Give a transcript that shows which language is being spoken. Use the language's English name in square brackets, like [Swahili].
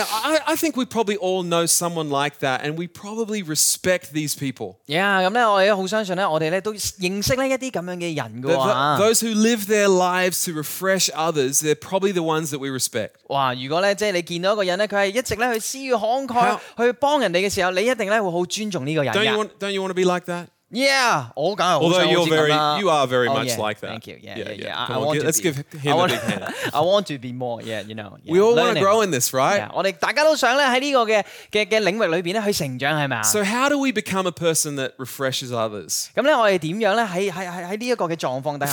[English] I think we probably all know someone like that, and we probably respect these people. [Chinese] Yeah,我也很相信我们都认识一些这样的人。Those [English] who live their lives to refresh others, they're probably the ones that we respect. [Chinese] 哇,如果你看到一个人,他一直去施予慷慨,去帮人家的时候,你一定会很尊重这个人。 [English] Don't you want to be like that? Yeah, although you are very much like that. Thank you. Yeah, I want to be. Let's give him a big hand. I want to be more. Yeah, you know. Yeah. We all want to grow in this, right? [Chinese] Yeah, 我们大家都想在这个领域里面去成长，是吗？ [English] So how do we become a person that refreshes others? [Chinese] 那我们怎样呢？在这个状况底下，